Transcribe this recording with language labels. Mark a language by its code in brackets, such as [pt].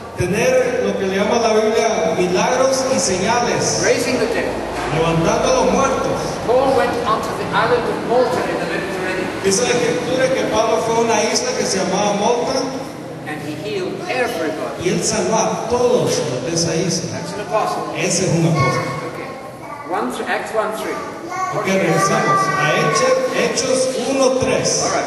[es] Tener lo que le llama la Biblia milagros y señales. [en] Raising the dead. [es] Levantando a los muertos. [en] Paul went onto the island of Malta in the Mediterranean. [es] Dice la escritura que Pablo fue a una isla que se llamaba Malta. [en] And he healed everybody. [es] Y él salvó a todos los de esa isla. [en] That's an apostle. [es] Ese es un apóstol. [en] Okay. [es] Okay, regresamos. A Hechos 1:3.